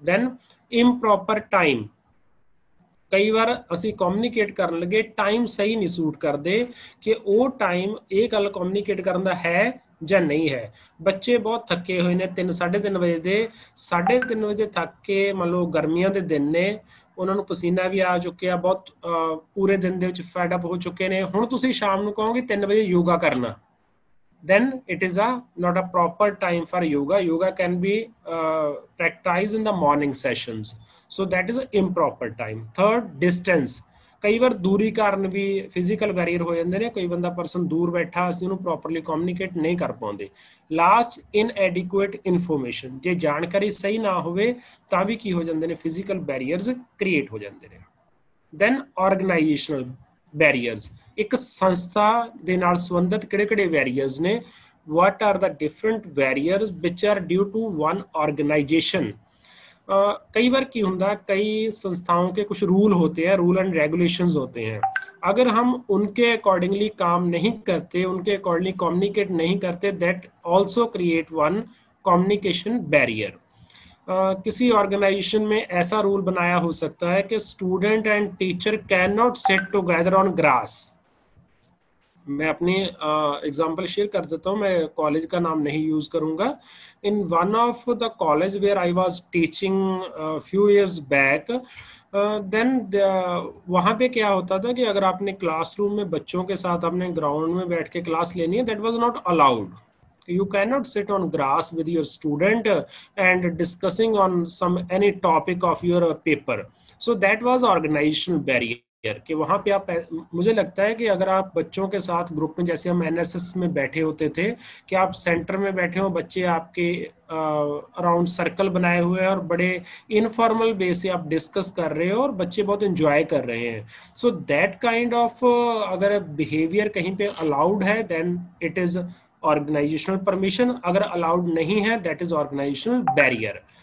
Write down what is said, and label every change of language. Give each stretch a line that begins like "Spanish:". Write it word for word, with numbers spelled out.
English: then improper time,
Punjabi: ਕਈ ਵਾਰ ਅਸੀਂ communicate ਕਰਨ ਲੱਗੇ ਟਾਈਮ ਸਹੀ ਨਹੀਂ ਸੂਟ ਕਰਦੇ ਕਿ ਉਹ ਟਾਈਮ ਇਹ ਗੱਲ ਕਮਿਊਨੀਕੇਟ ਕਰਨ ਦਾ ਹੈ ਜਾਂ ਨਹੀਂ ਹੈ। ਬੱਚੇ ਬਹੁਤ ਥੱਕੇ ਹੋਏ ਨੇ, ਤਿੰਨ ਸਾਢੇ ਤਿੰਨ ਵਜੇ ਦੇ ਸਾਢੇ ਤਿੰਨ ਵਜੇ ਥੱਕ ਕੇ, ਮੰਨ ਲਓ ਗਰਮੀਆਂ ਦੇ ਦਿਨ ਨੇ, ਉਹਨਾਂ ਨੂੰ ਪਸੀਨਾ ਵੀ ਆ ਚੁੱਕਿਆ, ਬਹੁਤ ਪੂਰੇ ਦਿਨ ਦੇ ਵਿੱਚ ਫੈਡ ਅਪ ਹੋ ਚੁੱਕੇ ਨੇ। ਹੁਣ ਤੁਸੀਂ ਸ਼ਾਮ ਨੂੰ ਕਹੋਗੇ ਤਿੰਨ ਵਜੇ ਯੋਗਾ ਕਰਨਾ,
English: then it is a not a proper time for yoga. Yoga can be uh, practiced in the morning sessions. So that is an improper time. Third, distance.
Punjabi: ਕਈ ਵਾਰ ਦੂਰੀ ਕਾਰਨ ਵੀ ਫਿਜ਼ੀਕਲ ਬੈਰੀਅਰ ਹੋ ਜਾਂਦੇ ਨੇ, ਕਈ ਬੰਦਾ ਪਰਸਨ ਦੂਰ ਬੈਠਾ, ਅਸੀਂ ਉਹਨੂੰ ਪ੍ਰੋਪਰਲੀ ਕਮਿਊਨੀਕੇਟ ਨਹੀਂ ਕਰ ਪਾਉਂਦੇ। ਲਾਸਟ, ਇਨਐਡਿਕੁਏਟ ਇਨਫੋਰਮੇਸ਼ਨ, ਜੇ ਜਾਣਕਾਰੀ ਸਹੀ ਨਾ ਹੋਵੇ ਤਾਂ ਵੀ ਕੀ ਹੋ ਜਾਂਦੇ ਨੇ, ਫਿਜ਼ੀਕਲ ਬੈਰੀਅਰਸ ਕ੍ਰੀਏਟ ਹੋ ਜਾਂਦੇ ਨੇ। ਦੈਨ ਆਰਗੇਨਾਈਜੇਸ਼ਨਲ ਬੈਰੀਅਰਸ, ਇੱਕ ਸੰਸਥਾ ਦੇ ਨਾਲ ਸੰਬੰਧਿਤ ਕਿਹੜੇ ਕਿਹੜੇ ਬੈਰੀਅਰਸ ਨੇ,
English: What are the different barriers which are due to one organisation.
Hindi: कई बार की होता है, कई संस्थाओं के कुछ रूल होते हैं, रूल एंड रेगुलेशंस होते हैं, अगर हम उनके अकॉर्डिंगली काम नहीं करते, उनके अकॉर्डिंगली कम्युनिकेट नहीं करते,
English: That also create one communication barrier.
Hindi: किसी ऑर्गेनाइजेशन में ऐसा रूल बनाया हो सकता है कि
English: Student and teacher can not sit together on grass.
Hindi: मैं अपनी एग्जाम्पल शेयर कर देता हूँ, मैं कॉलेज का नाम नहीं यूज करूँगा।
English: in one of the college where I was teaching few years back,
Hindi: then वहाँ पे क्या होता था कि अगर आपने क्लासरूम में बच्चों के साथ आपने ग्राउंड में बैठ के क्लास लेनी है, that was not allowed.
English: You cannot sit on grass with your student and discussing on some any topic of your paper. So that was organizational barrier.
Hindi: कि वहाँ पे आप, मुझे लगता है कि अगर आप बच्चों के साथ ग्रुप में, जैसे हम एनएसएस में बैठे होते थे कि आप सेंटर में बैठे हो, बच्चे आपके अराउंड सर्कल बनाए हुए हैं और बड़े इनफॉर्मल वे से आप डिस्कस कर रहे हो और बच्चे बहुत एंजॉय कर रहे हैं। सो दैट काइंड ऑफ अगर बिहेवियर कहीं पे अलाउड है,
English: then it is organisational permission,
Hindi: अगर अलाउड नहीं है, दैट इज ऑर्गेनाइजेशनल बैरियर।